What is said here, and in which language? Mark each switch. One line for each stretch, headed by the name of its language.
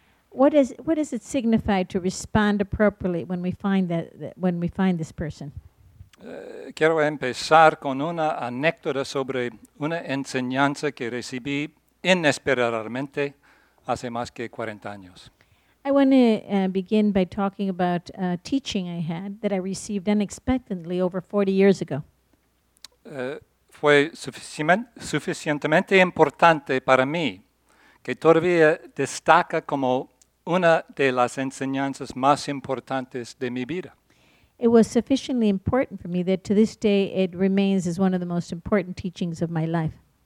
English: What does it signify to respond appropriately when we find this person?
Spanish: Quiero empezar con una anécdota sobre una enseñanza que recibí inesperadamente hace más que 40 años.
English: I want to begin by talking about a teaching I had that I received unexpectedly over 40 years ago.
Spanish: Fue suficientemente importante para mí que todavía destaca como una de las enseñanzas más importantes de mi vida.
English: It was sufficiently important for me that to this day it remains as one of the most important teachings of my life.